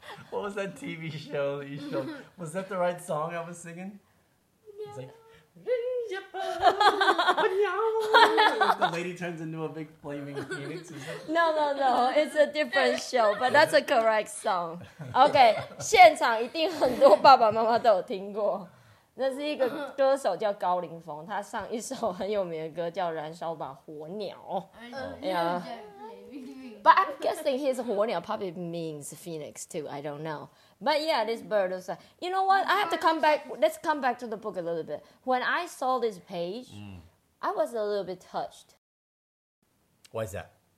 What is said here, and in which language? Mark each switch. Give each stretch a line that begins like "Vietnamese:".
English: what was that TV show that you showed? Was that the right song I was singing? It's like the lady turns into a big flaming phoenix. No, it's a different show, but that's a correct song.
Chinese: Okay, 现场一定很多爸爸妈妈都有听过 那是一个歌手叫高凌风，他唱一首很有名的歌叫《燃烧吧火鸟》。
English: But I'm guessing his horny probably means phoenix too. I don't know. But yeah, this bird was like, you know what? I have to come back. Let's come back to the book a little bit. When I saw this page, I was a little bit touched. Why is that?